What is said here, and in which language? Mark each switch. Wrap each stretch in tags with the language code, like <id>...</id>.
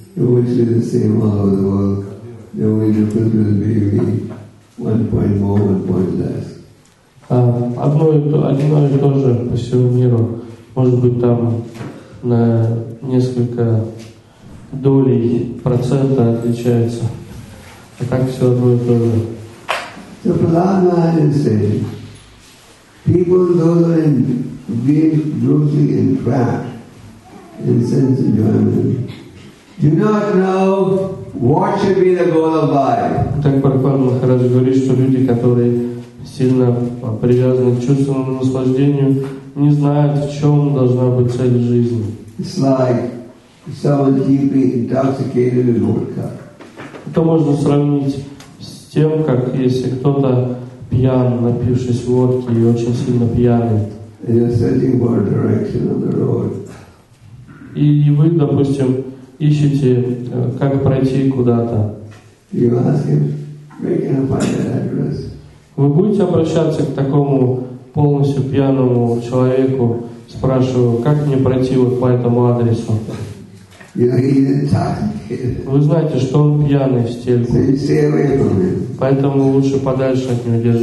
<en>It would be the same all over the world. The only difference would be one point more, one point less.</en> <ru>Одно и то же по всему миру. Может быть, там на несколько долей процента отличается. А так все одно и то же.</ru> <en>So, Prahlada is saying, people who are in being grossly entrapped in sense enjoyment do not know what should be the goal of life.</en> <ru>Так Прахлад Махарадж говорит, что люди, которые сильно привязаны к чувственному наслаждению, не знают, в чем должна быть цель жизни.</ru> <en>It's like someone deeply intoxicated in vodka.</en> <ru>Это можно сравнить с тем, как если кто-то пьян, напившись водки и очень сильно пьяный.</ru> <en>And you're searching for a direction on the road.</en> <ru>И вы, допустим, ищете, как пройти куда-то.</ru> <en>You ask him, make him find that address.</en> <ru>Вы будете обращаться к такому полностью пьяному человеку, спрашиваю, как мне пройти вот по этому адресу? Вы знаете, что он пьяный в стельку. Поэтому лучше подальше от него</ru>